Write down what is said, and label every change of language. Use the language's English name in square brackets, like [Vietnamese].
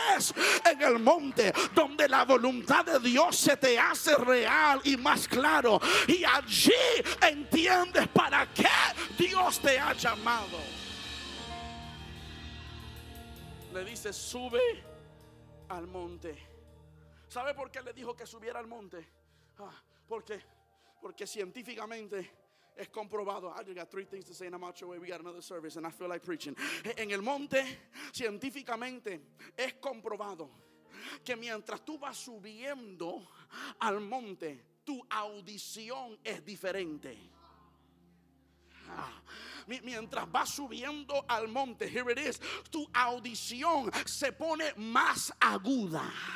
[Spanish] Es en el monte donde la voluntad de Dios se te hace real y más claro, y allí entiendes para qué Dios te ha llamado. Le dice: sube al monte. ¿Sabe por qué le dijo que subiera al monte? Porque científicamente es comprobado. [English] I got three things to say and I'm out your way. We got another service and I feel like preaching. [Spanish] En el monte, científicamente es comprobado que mientras tú vas subiendo al monte, tu audición es diferente. Mientras vas subiendo al monte, [English] here it is, [Spanish] tu audición se pone más aguda.